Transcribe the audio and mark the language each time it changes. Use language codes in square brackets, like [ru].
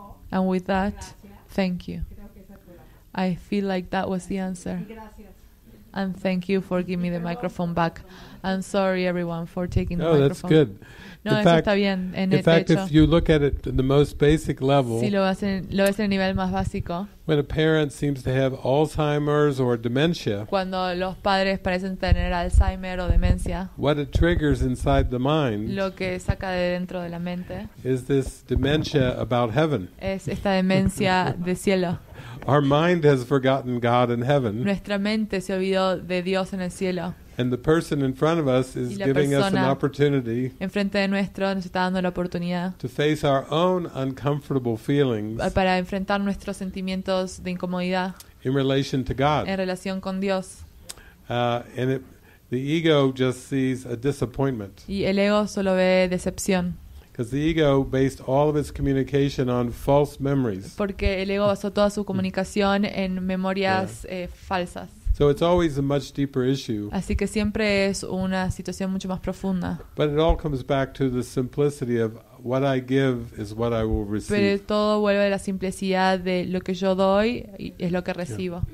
[en] And with that, thank you. I feel like that was the answer. And thank you for giving me the microphone back. And sorry, everyone, for taking the microphone. No, that's good. [es] No, eso está bien. [en] In fact, if you look at it in the most basic level, [es] si lo ves en el nivel más básico, [en] when a parent seems to have Alzheimer's or dementia, [es] cuando los padres parecen tener Alzheimer o demencia, [en] what it triggers inside the mind, [es] lo que saca de dentro de la mente, [en] is this dementia about heaven. [es] Es esta demencia de cielo. [en] Our mind has forgotten God in heaven. [es] Nuestra mente se olvidó de Dios en el cielo. [en] And the person in front of us is giving us an opportunity [es] enfrente de nuestro, nos está dando la oportunidad [en] to face our own uncomfortable feelings [es] para enfrentar nuestros sentimientos de incomodidad [en] in relation to God. [es] En relación con Dios. [en] The ego just sees a disappointment. [es] Y el ego solo ve decepción. [en] Because the ego based all of its communication on false memories. [es] Porque el ego basó toda su comunicación en memorias falsas. [en] So it's always a much deeper issue. [es] Así que siempre es una situación mucho más profunda. [en] But it all comes back to the simplicity of what I give is what I will receive. [es] Pero todo vuelve a la simplicidad de lo que yo doy es lo que recibo.